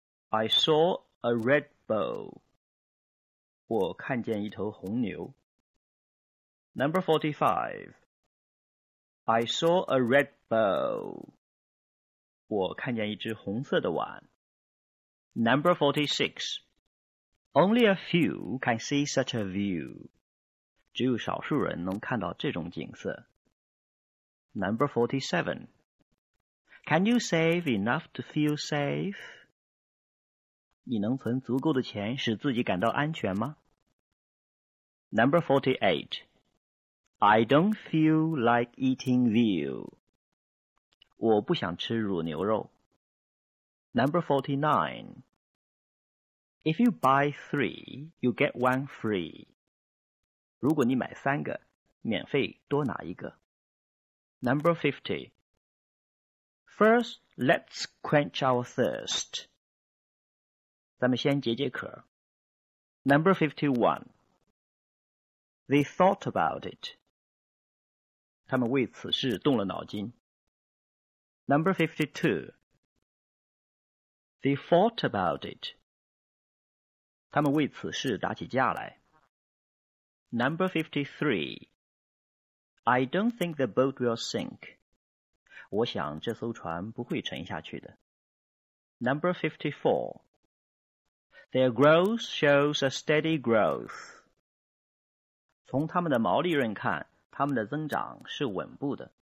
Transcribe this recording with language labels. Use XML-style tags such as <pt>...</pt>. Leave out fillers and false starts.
<en>I saw a red bull.</en> <zh>我看见一头红牛。</zh> <en>Number 45. I saw a red bull.</en> <zh>我看见一只红色的碗。</zh> <en>Number 46. Only a few can see such a view.</en> <zh>只有少数人能看到这种景色。</zh> <en>Number 47. Can you save enough to feel safe?</en> <zh>你能存足够的钱使自己感到安全吗?</zh> <en>Number 48. I don't feel like eating veal.</en> <zh>我不想吃乳牛肉。</zh> <en>Number 49. If you buy three, you get one free.</en> <zh>如果你买三个,免费多拿一个。</zh> <en>Number 50. First, let's quench our thirst.</en> <zh>咱们先解解渴。</zh> <en>Number 51. They thought about it.</en> <zh>他们为此事动了脑筋。</zh> <en>Number 52. They fought about it.</en> <zh>他们为此事打起架来。</zh> <en>Number 53. I don't think the boat will sink.</en> <zh>我想这艘船不会沉下去的。</zh> <en>Number 54. Their growth shows a steady growth.</en> <zh>从他们的毛利润看,他们的增长是稳步的。</zh>